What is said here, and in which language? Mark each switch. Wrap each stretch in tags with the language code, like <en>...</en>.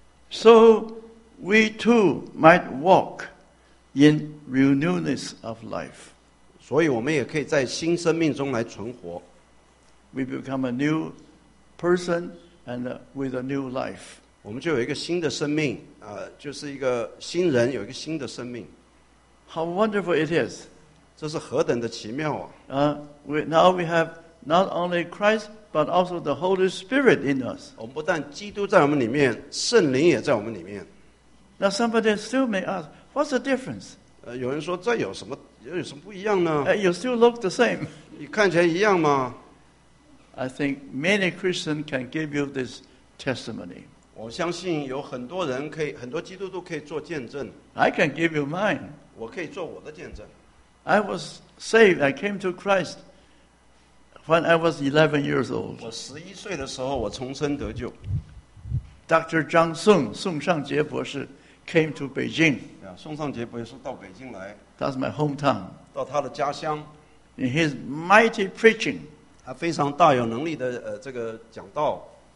<en>So we too might walk in renewness of life.</en> <zh>所以我们也可以在新生命中来存活。</zh> <en>We become a new person and with a new life.</en> <zh>我们就有一个新的生命，就是一个新人，有一个新的生命。</zh> <en>How wonderful it is!</en> <zh>这是何等的奇妙啊！</zh> <en>Now we have not only Christ, but also the Holy Spirit in us.</en> <zh>我们不但基督在我们里面，圣灵也在我们里面。</zh> <en>Now somebody still may ask, what's the difference?</en> <zh>有人说这有什么，有什么不一样呢？</zh> <en>You still look the same.</en> <zh>你看起来一样吗？</zh> <en>I think many Christians can give you this testimony.</en> <zh>我相信有很多人可以，很多基督徒可以做见证。</zh> <en>I can give you mine.</en> <zh>我可以做我的见证。</zh> <en>I was saved. I came to Christ when I was 11 years old.</en> <zh>我十一岁的时候，我重生得救。</zh> <en>Dr. 张宋，宋尚杰博士 came to Beijing.</en> <zh>宋尚杰博士到北京来。</zh> <en>That's my hometown.</en> <zh>到他的家乡。</zh> <en>In his mighty preaching.</en> <zh>他非常大有能力的这个讲道。</zh>